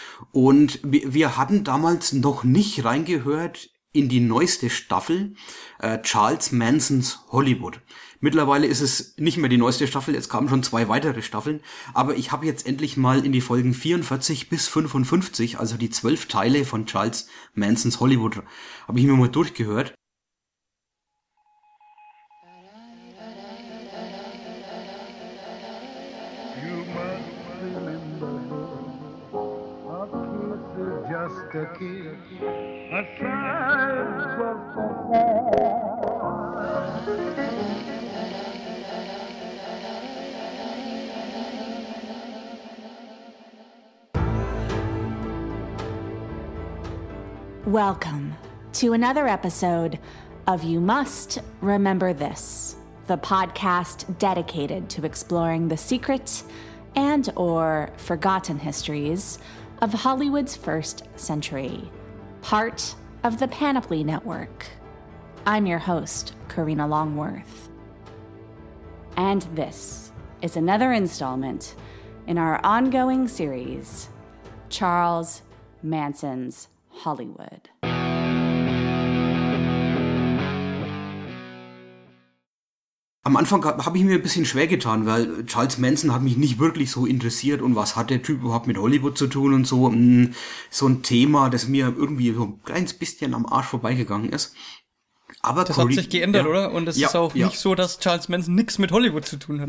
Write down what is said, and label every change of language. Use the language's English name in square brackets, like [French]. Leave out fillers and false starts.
[German] Und wir hatten damals noch nicht reingehört in die neueste Staffel, Charles Mansons Hollywood. Mittlerweile ist es nicht mehr die neueste Staffel, jetzt kamen schon zwei weitere Staffeln, aber ich habe jetzt endlich mal in die Folgen 44 bis 55, also die 12 Teile von Charles Mansons Hollywood, habe ich mir mal durchgehört. [English] You must remember, a kiss is just a kiss, a sigh is just a sigh. Welcome to another episode of You Must Remember This, the podcast dedicated to exploring the secret and or forgotten histories of Hollywood's first century, part of the Panoply Network. I'm your host, Karina Longworth. And this is another installment in our ongoing series, Charles Manson's Hollywood. [German] Am Anfang habe ich mir ein bisschen schwer getan, weil Charles Manson hat mich nicht wirklich so interessiert und was hat der Typ überhaupt mit Hollywood zu tun und so. So ein Thema, das mir irgendwie so ein kleines bisschen am Arsch vorbeigegangen ist. Aber das hat sich geändert, ja, oder? Und es ist auch nicht so, dass Charles Manson nichts mit Hollywood zu tun hat.